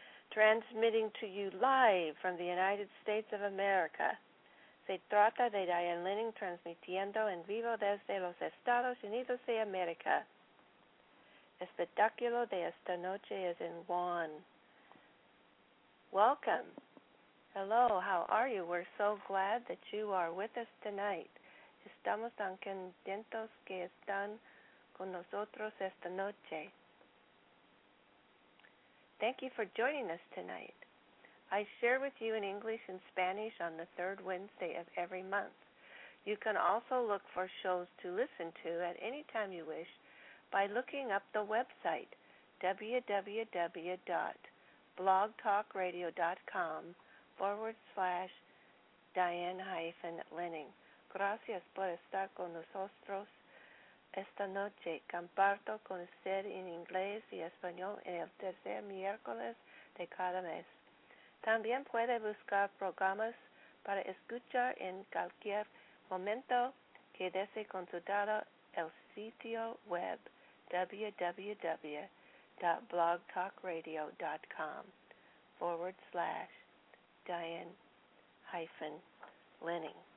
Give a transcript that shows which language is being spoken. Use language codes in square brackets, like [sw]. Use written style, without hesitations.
[en] Transmitting to you live from the United States of America. [es] Se trata de Diane Lenning transmitiendo en vivo desde los Estados Unidos de America. Espectáculo de esta noche es en Juan. Welcome. [en] Hello, how are you? We're so glad that you are with us tonight. [es] Estamos tan contentos que están con nosotros esta noche. [en] Thank you for joining us tonight. I share with you in English and Spanish on the third Wednesday of every month. You can also look for shows to listen to at any time you wish by looking up the website www.blogtalkradio.com/Diane-Lenning. [es] Gracias por estar con nosotros esta noche. Comparto con usted en inglés y español en el tercer miércoles de cada mes. También puede buscar programas para escuchar en cualquier momento que desee consultar el sitio web www.blogtalkradio.com/Diane-Lenning.